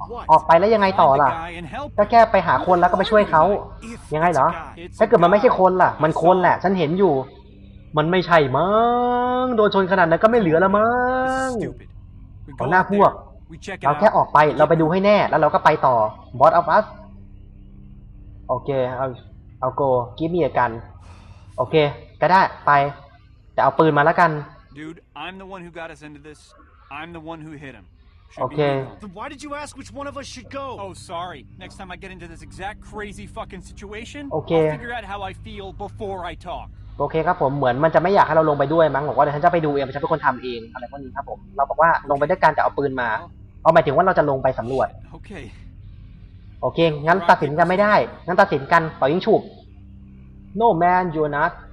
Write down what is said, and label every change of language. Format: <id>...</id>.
<th>ออกไปแล้วยังไงต่อล่ะก็แค่ไปหาคนแล้วก็ไปช่วยเขายังไงเหรอถ้าเกิดมันไม่ใช่คนล่ะมันคนแหละฉันเห็นอยู่มันไม่ใช่มั้งโดนชนขนาดนั้นก็ไม่เหลือแล้วมั้งเอาหน้าพวกเราแค่ออกไปเราไปดูให้แน่แล้วเราก็ไปต่อ Boss of us โอเคเอา</th> <en>go give me a gun</en> <th>โอเคก็ได้ไปแต่เอาปืนมาแล้วกัน</th> <en>Dude I'm the one who got us into this I'm the one who hit himOkay. Then why did you ask which one of us should go? Oh, sorry. Next time I get into this exact crazy fucking situation, okay. I'll figure out how I feel before I talk.</en> <th>Okay, ครับผมเหมือนมันจะไม่อยากให้เราลงไปด้วยมั้งบอกว่าเดี๋ยวฉันจะไปดูเองฉันเป็นคนทำเองอะไรพวกนี้ครับผมเราบอกว่าลงไปด้วยกันแต่เอาปืนมาเอาหมายถึงว่าเราจะลงไปสำรวจโอเคงั้นตัดสินกันไม่ได้งั้นตัดสินกันต่อยิงฉุบ</th> <en>No man, you're not.</en>